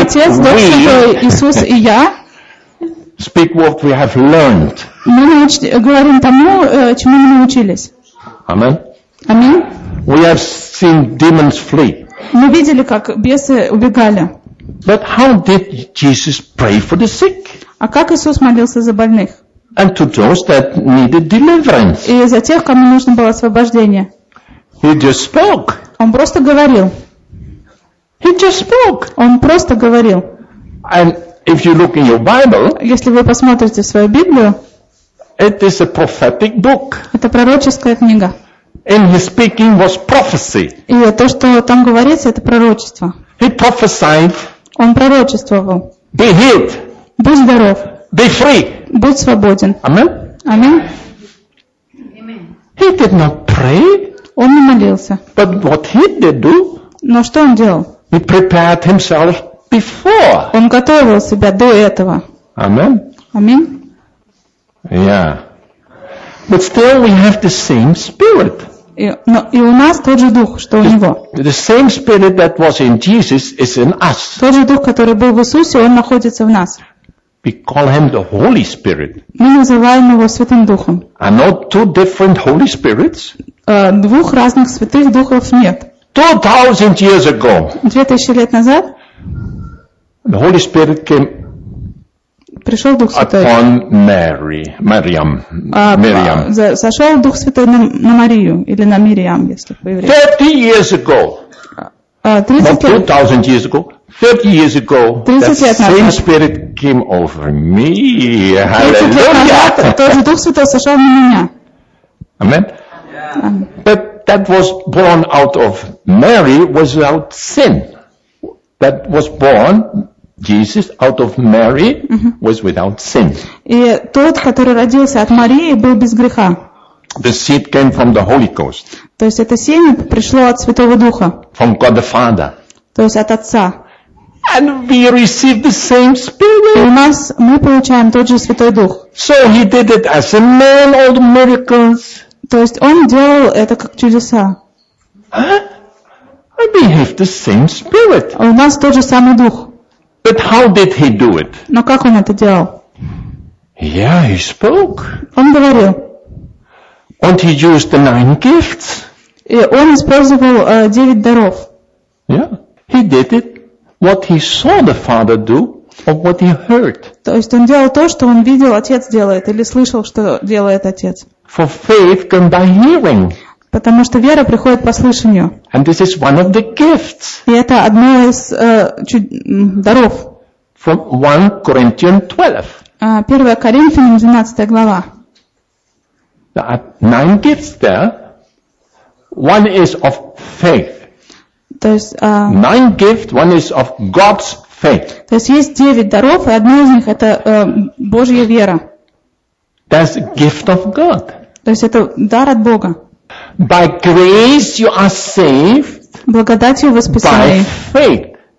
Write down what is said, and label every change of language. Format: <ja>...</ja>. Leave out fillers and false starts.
<ru>Отец, Дух Святой, Иисус и я,</ru> <en>speak what we have learned.</en> <ru>Мы говорим тому, чему мы научились.</ru> <en>Amen. Amen. We have seen demons flee.</en> <ru>Мы видели, как бесы убегали.</ru> <en>But how did Jesus pray for the sick?</en> <ru>А как Иисус молился за больных?</ru> <en>And to those that needed deliverance.</en> <ru>И за тех, кому нужно было освобождение.</ru> <en>He just spoke.</en> <ru>Он просто говорил.</ru> <en>He just spoke.</en> <ru>Он просто говорил.</ru> <en>And if you look in your Bible,</en> <ru>если вы посмотрите свою Библию,</ru> <en>it is a prophetic book.</en> <ru>Это пророческая книга.</ru> <en>And his speaking was prophecy.</en> <ru>И то, что там говорится, это пророчество.</ru> <en>He prophesied.</en> <ru>Он пророчествовал.</ru> <en>Be healed.</en> <ru>Будь здоров.</ru> <en>Be free.</en> <ru>Будь свободен.</ru> <en>Amen. Amen. He did not pray.</en> <ru>Он не молился.</ru> <en>But what he did do?</en> <ru>Но что он делал?</ru> <en>He prepared himself before.</en> <ru>Он готовил себя до этого.</ru> <en>Amen. Amen. Yeah. But still we have the same spirit.</en> <ru>И у нас тот же дух, что у него.</ru> <en>The same spirit that was in Jesus is in us.</en> <ru>Тот же дух, который был в Иисусе, он находится в нас.</ru> <en>We call him the Holy Spirit.</en> <ru>Мы называем его Святым Духом.</ru> <en>Are not two different Holy Spirits?</en> <ru>Двух разных Святых Духов нет.</ru> <en>2000 years ago.</en> <ru>2000 лет назад.</ru> <en>The Holy Spirit came.</en> <ru>Пришел Дух Святой.</ru> <en>Upon Mary, Maryam, Miriam.</en> <ru>Сошел Дух Святой на Марию или на Мириам, если по-еврейски.</ru> <en>30 years ago. 2000 years ago. 30 years ago, the same Spirit came over me. Hallelujah! Amen. Amen. But that was born out of Mary without sin. That was born, Jesus, out of Mary was without sin.</en> <ru>И тот, который родился от Марии, был без греха.</ru> <en>The seed came from the Holy Ghost.</en> <ru>То есть это семя пришло от Святого Духа.</ru> <en>From God the Father.</en> <ru>То есть от Отца.</ru> <en>And we receive the same spirit.</en> <ru>У нас мы получаем тот же Святой Дух.</ru> <en>So he did it as a man, all the miracles.</en> <ru>То есть он делал это как чудеса.</ru> <en>Huh? We have the same spirit.</en> <ru>У нас тот же самый дух.</ru> <en>But how did he do it?</en> <ru>Но как он это делал?</ru> <en>Yeah, he spoke.</en> <ru>Он говорил.</ru> <en>And he used the 9 gifts.</en> <ru>И он использовал 9 даров.</ru> <en>Yeah, he did it. What he saw the Father do, or what he heard.</en> <ru>То есть он делал то, что он видел отец делает, или слышал, что делает отец.</ru> <en>For faith comes by hearing.</en> <ru>Потому что вера приходит по слышанию.</ru> <en>And this is one of the gifts.</en> <ru>И это одно из даров.</ru> <en>From 1 Corinthians 12.</en> <ru>1 Коринфянам 12 глава.</ru> <en>There are 9 gifts there. One is of faith.</en> <ru>То есть,</ru> <en>nine gifts, one is of God's faith.</en> <ru>То есть, есть девять даров, и одно из них это Божья вера.</ru> <en>That's a gift of God.</en> <ru>То есть, это дар от Бога.</ru> <en>By grace you are saved.</en> <ru>Благодатью вы спасены.</ru> <en>By faith.</en>